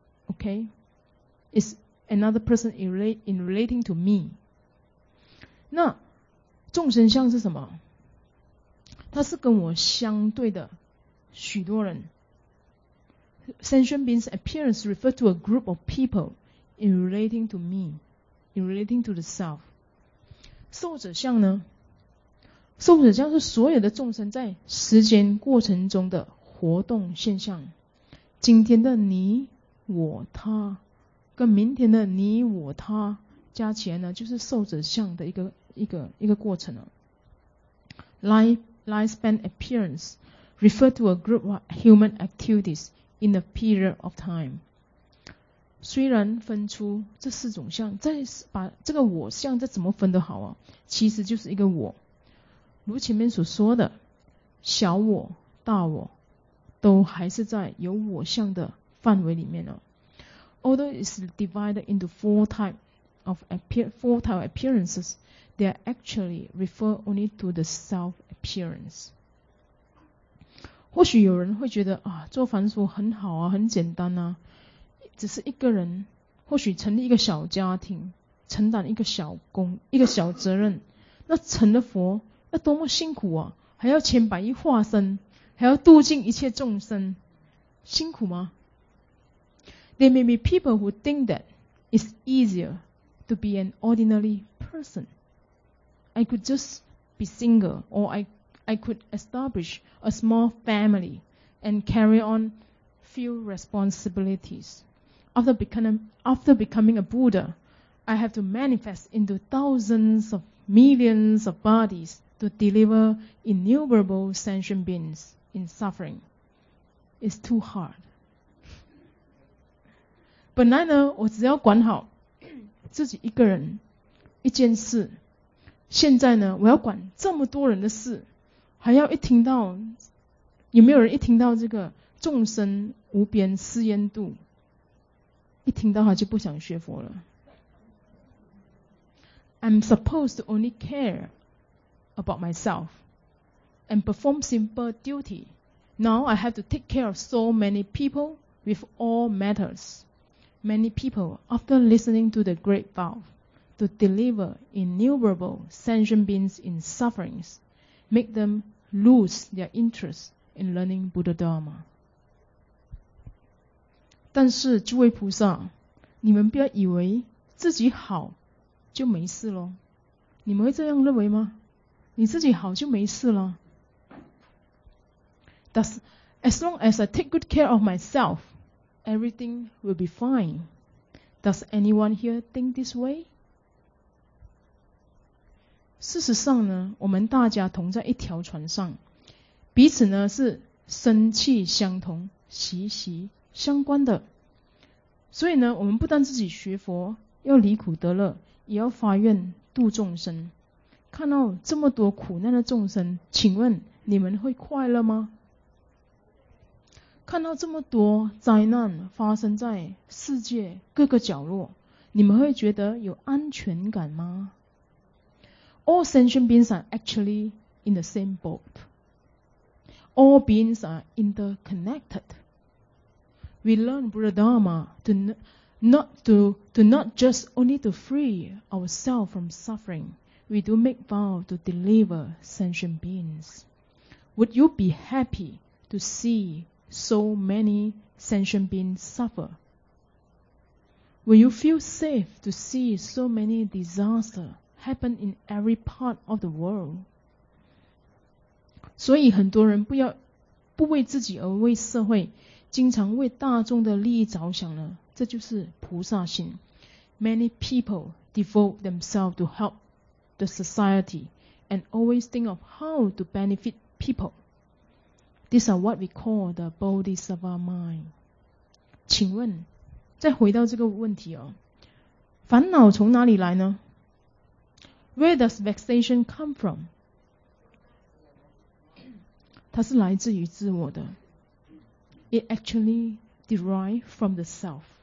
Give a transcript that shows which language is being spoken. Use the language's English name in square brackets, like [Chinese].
[English] Okay, it's another person in relating to me. [Chinese] 那众神像是什么？它是跟我相对的许多人。 [English] Sentient beings' appearance refer to a group of people in relating to me, in relating to the self. [Chinese] 受者像呢？受者像是所有的众生在时间过程中的活动现象。今天的你、我、他，跟明天的你、我、他加起来呢，就是受者像的一个过程了。 [English] Lifespan appearance refer to a group of human activities. In a period of time, [Chinese] 虽然分出这四种相，再把这个我相再怎么分都好啊，其实就是一个我。如前面所说的，小我、大我，都还是在有我相的范围里面呢。 [English] Although it's divided into four type appearances, they actually refer only to the self appearance. [Chinese] 或许有人会觉得啊，做凡夫很好啊，很简单啊，只是一个人，或许成立一个小家庭，承担一个小工，一个小责任，那成了佛，那多么辛苦啊，还要千百亿化身，还要度尽一切众生，辛苦吗？ [English] There may be people who think that it's easier to be an ordinary person. I could just be single, or I could establish a small family and carry on few responsibilities. After becoming a Buddha, I have to manifest into thousands of millions of bodies to deliver innumerable sentient beings in suffering. It's too hard. [Chinese] 本来呢，我只要管好自己一个人一件事，现在呢，我要管这么多人的事。还要一听到有没有人一听到这个众生无边誓愿度，一听到他就不想学佛了。 [English] I'm supposed to only care about myself and perform simple duty. Now I have to take care of so many people with all matters. Many people, after listening to the great vow to deliver innumerable sentient beings in sufferings, make themlose their interest in learning Buddha Dharma. [Chinese] 但是诸位菩萨，你们不要以为自己好就没事了，你们会这样认为吗？你自己好就没事了？ [English] Thus, as long as I take good care of myself, everything will be fine. Does anyone here think this way? [Chinese] 事实上呢，我们大家同在一条船上，彼此呢是身气相同，息息相关的。所以呢，我们不但自己学佛要离苦得乐，也要发愿度众生。看到这么多苦难的众生，请问你们会快乐吗？看到这么多灾难发生在世界各个角落，你们会觉得有安全感吗？ [English] All sentient beings are actually in the same boat. All beings are interconnected. We learn Buddha Dharma not just only to free ourselves from suffering. We do make vow to deliver sentient beings. Would you be happy to see so many sentient beings suffer? Will you feel safe to see so many disasters? Happen in every part of the world. [Chinese] 所以很多人不为自己而为社会，经常为大众的利益着想呢，这就是菩萨心。 [English] Many people devote themselves to help the society and always think of how to benefit people. These are what we call the Bodhisattva mind. [Chinese] 请问，再回到这个问题哦，烦恼从哪里来呢？ [English] Where does vexation come from? [Chinese] 它是来自于自我的。 [English] It actually derives from the self.